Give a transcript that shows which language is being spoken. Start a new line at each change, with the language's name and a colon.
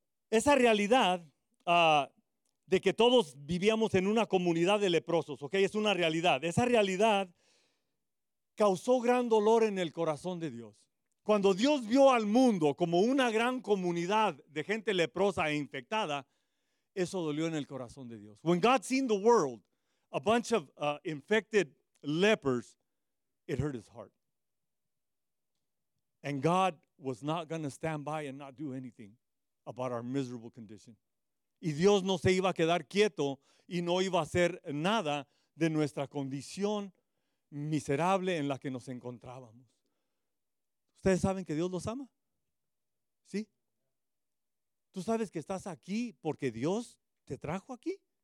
Spanish: Esa realidad de que todos vivíamos en una comunidad de leprosos, ¿ok? Es una realidad. Esa realidad causó gran dolor en el corazón de Dios. Cuando Dios vio al mundo como una gran comunidad de gente leprosa e infectada, eso dolió en el corazón de Dios.
English: When God seen the world, a bunch of infected lepers, it hurt His heart. And God was not going to stand by and not do anything about our miserable condition.
Spanish: Y Dios no se iba a quedar quieto y no iba a hacer nada de nuestra condición miserable en la que nos encontrábamos. ¿Ustedes saben que Dios los ama? ¿Sí? ¿Tú sabes que estás aquí porque Dios te trajo aquí?